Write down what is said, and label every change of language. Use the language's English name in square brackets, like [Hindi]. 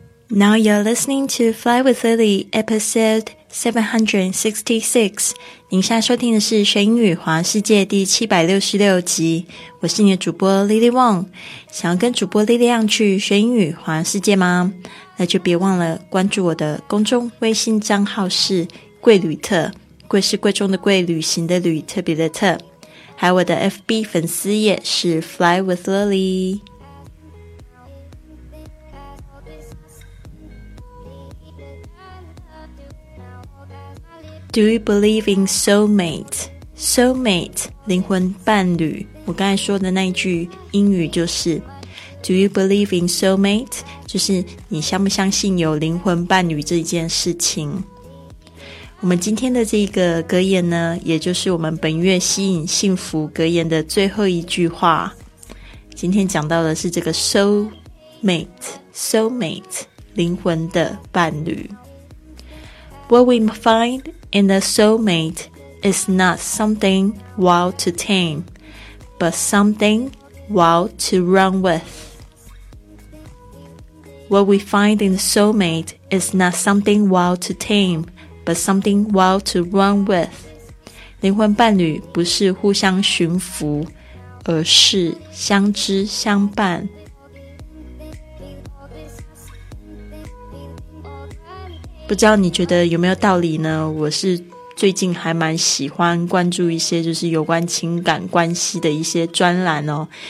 [English] Now you're listening to Fly with Lily, episode 766. [Chinese] 您现在收听的是学英语环游世界第766集。我是你的主播 Lily Wong。想要跟主播 Lily 样去学英语环游世界吗？那就别忘了关注我的公众微信账号是贵旅特。贵是贵重的贵，旅行的旅，特别的特。还有我的 FB 粉丝页是 Fly with Lily。 [English] Do you believe in soulmate? [Chinese] Soulmate, 灵魂伴侣。我刚才说的那一句英语就是 [English] Do you believe in soulmate? [Chinese] 就是你相不相信有灵魂伴侣这件事情。我们今天的这个格言呢，也就是我们本月吸引幸福格言的最后一句话。今天讲到的是这个 soulmate, 灵魂的伴侣。 [English] What we find in a soulmate is not something wild to tame, but something wild to run with. What we find in a soulmate is not something wild to tame, but something wild to run with. [Chinese] 灵魂伴侣不是互相驯服，而是相知相伴。不知道你觉得有没有道理呢？我是最近还蛮喜欢关注一些就是有关情感关系的一些专栏哦。